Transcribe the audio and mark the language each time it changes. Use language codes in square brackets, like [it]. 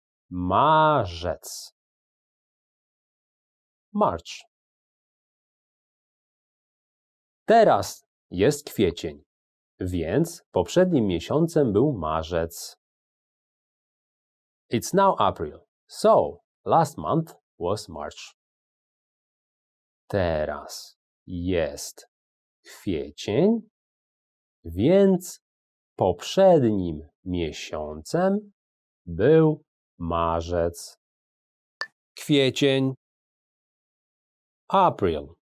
[pl] Marzec. [en] March. [pl] Teraz jest kwiecień, więc poprzednim miesiącem był marzec. [en] It's now April, so last month was March. [pl] Teraz jest kwiecień, więc poprzednim miesiącem był marzec. Kwiecień. [en] April.